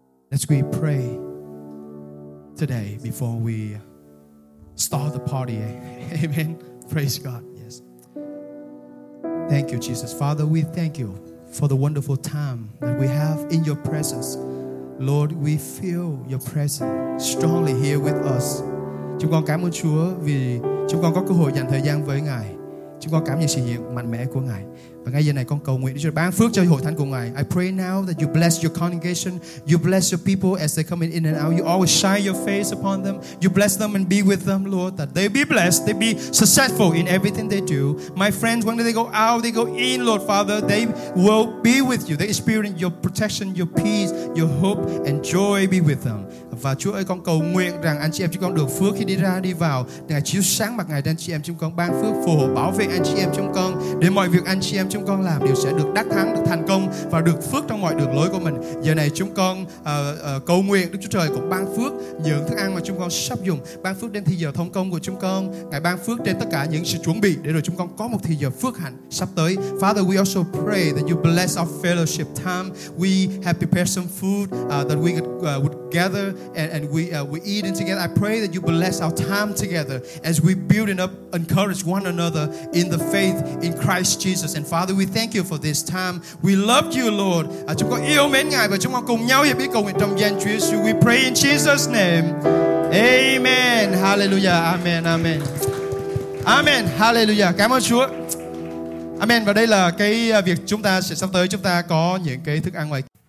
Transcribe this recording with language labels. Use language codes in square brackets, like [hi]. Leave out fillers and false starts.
[en] As we pray today before we start the party. Amen. Praise God. Yes. Thank you, Jesus. Father, we thank you for the wonderful time that we have in your presence. Lord, we feel your presence strongly here with us. [vi] Chúng con cảm ơn Chúa vì chúng con có cơ hội dành thời gian với Ngài. Chúng con cảm nhận sự hiện mạnh mẽ của Ngài. Và ngay giờ này con cầu nguyện để ban phước cho hội thánh của Ngài. [en] I pray now that you bless your congregation, you bless your people as they come in and out. You always shine your face upon them. You bless them and be with them, Lord, that they be blessed, they be successful in everything they do. My friends, when they go out, they go in, Lord Father, they will be with you. They experience your protection, your peace, your hope and joy be with them. [vi] Và Chúa ơi, con cầu nguyện rằng anh chị em chúng con được phước khi đi ra đi vào. Ngài chiếu sáng mặt Ngài trên anh chị em chúng con, ban phước phù hộ bảo vệ anh chị em chúng con, để mọi việc anh chị em chúng con làm đều sẽ được đắc thắng, được thành công và được phước trong mọi đường lối của mình. Giờ này chúng con cầu nguyện Đức Chúa Trời cũng ban phước những thức ăn mà chúng con sắp dùng, ban phước đến thi giờ thông công của chúng con. Ngài ban phước trên tất cả những sự chuẩn bị để rồi chúng con có một thi giờ phước hạnh sắp tới. [en] Father, we also pray that you bless our fellowship time. We have prepared some food that we would gather and we eating together. I pray that you bless our time together as we building up, encourage one another in the faith in Christ Jesus. And Father, we thank you for this time. We love you, Lord. [vi] Chúng con yêu mến Ngài và chúng con cùng nhau hiệp ý cầu nguyện trong danh Chúa Jesus. [en] We pray in Jesus' name. Amen. Hallelujah. Amen. Amen. Amen. Hallelujah. [vi] Cảm ơn Chúa. [en] Amen. [vi] Và đây là cái việc chúng ta sẽ sắp tới, chúng ta có những cái thức ăn ngoài.